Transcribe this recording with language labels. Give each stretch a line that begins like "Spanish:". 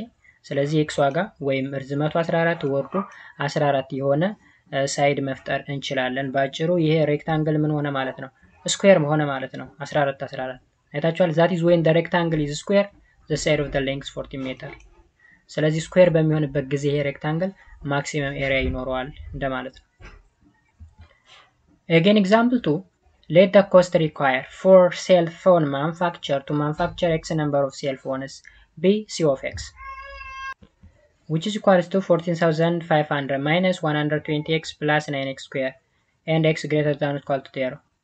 Amharic: Okay, ስለዚህ x ዋጋ ወይም ርዝመቱ 14 ወርዱ 14 የሆነ ሳይድ መፍጠር እንችላለን. ባጭሩ ይሄ rectangle ምን ሆነ ማለት ነው? ስኩዌር ሆነ ማለት ነው. 14 14 አይታችኋል.
English: That is when the rectangle is square, the side of the length is 14 meter.
Amharic: ስለዚህ ስኩዌር በሚሆንበት ጊዜ ይሄ rectangle maximum area ይኖረዋል እንደማለት ነው.
English: Again, example 2. Let the cost required for cell phone manufacture to manufacture x number of cell phones be C of x, which is equal to 14,500 minus 120x plus 9x square, and x greater than or equal to 0.